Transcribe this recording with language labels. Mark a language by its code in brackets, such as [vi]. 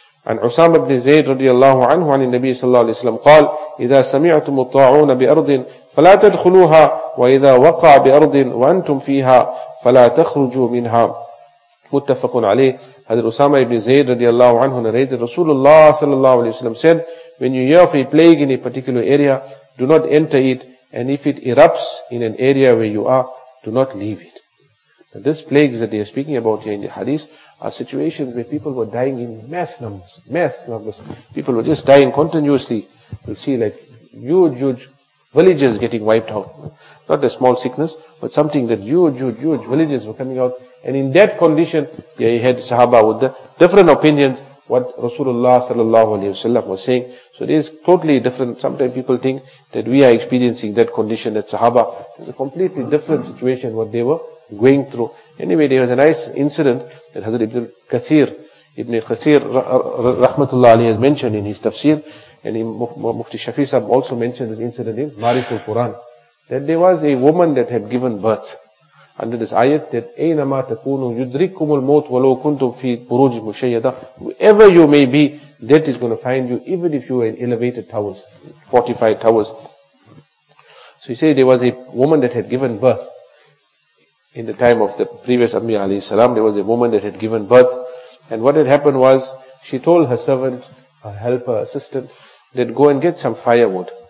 [ar] And Usama ibn Zayd radiallahu anhu an Nabi sallallahu alayhi wasallam qal, إذا سمعتم الطاعون بأرض فلا تدخلوها وإذا وقع بأرض وأنتم فيها فلا تخرجوا منها. متفق عليه. [en] Hazrat Usama ibn Zayd radiallahu anhu narrated, Rasulullah sallallahu alayhi wasallam said, when you hear of a plague in a particular area, do not enter it, and if it erupts in an area where you are, do not leave it. Now, this plague that they are speaking about here in the hadith are situations where people were dying in mass numbers. People were just dying continuously. You'll see like huge villages getting wiped out. Not a small sickness, but something that huge villages were coming out. And in that condition, yeah, he had sahaba with the different opinions what Rasulullah sallallahu alayhi wasallam was saying. So it is totally different. Sometimes people think that we are experiencing that condition at sahaba. It's a completely different situation what they were going through. Anyway, there was a nice incident that Hazrat Ibn Kathir rahmatullah alayhi has mentioned in his tafsir. And Mufti Shafi Sahib also mentioned an incident in Ma'riful Quran. That there was a woman that had given birth. Under this ayat that [ar] أَيْنَمَا تَكُونُوا يُدْرِكُمُ الْمَوْتُ وَلَوْ كُنْتُمْ فِي بُرُوجِ مُشَيَّدًا. [en] Whoever you may be, death is going to find you, even if you are in elevated towers, fortified towers. So he said there was a woman that had given birth. In the time of the previous Ambiya alayhi salam, there was a woman that had given birth. And what had happened was, she told her servant, her helper, assistant, that go and get some firewood.